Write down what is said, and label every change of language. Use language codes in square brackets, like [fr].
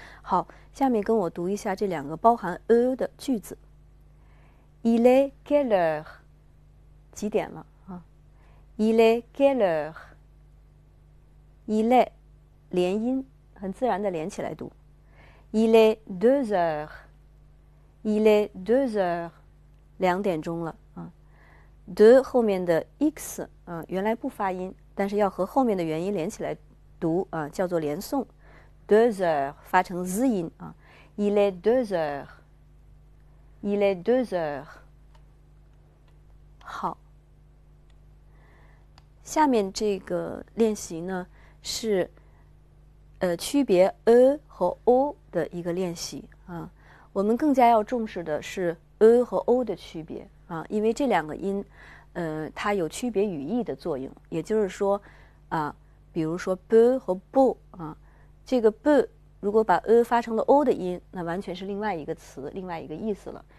[zh] 好，下面跟我读一下这两个包含 a 的句子。 [fr] Il est quelle heure？ [zh] 几点了啊？ [fr] Il est quelle heure？Il est [zh] 连音，很自然的连起来读。 [fr] Il est 2 heures。Il est 2 heures， [zh] 两点钟了啊。 De 后面的 x 啊，原来不发音。但是要和后面的元音连起来读啊，叫做连诵。 [fr] Deux heures [zh] 发成 z 音啊。 [fr] Il est 2 heures。Il est 2 heures。 [zh] 好，下面这个练习呢是区别 a 和 o 的一个练习啊。我们更加要重视的是 a 和 o 的区别啊，因为这两个音，它有区别语义的作用，也就是说，啊，比如说 b 和 bu 啊，这个 b 如果把 a 发成了 o 的音，那完全是另外一个词，另外一个意思了。